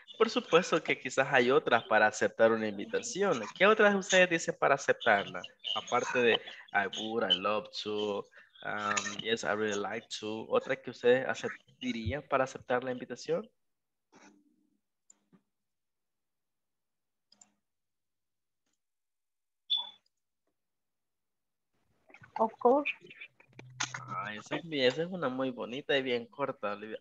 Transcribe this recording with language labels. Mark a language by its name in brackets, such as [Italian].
[Spanish] Por supuesto que quizás hay otras para aceptar una invitación. ¿Qué otras ustedes dicen para aceptarla? Aparte de [English] I would, I love to, yes, I really like to. [Spanish] ¿Otra que ustedes dirían para aceptar la invitación? [English] Of course. [Spanish] Ay, esa es una muy bonita y bien corta, Olivia.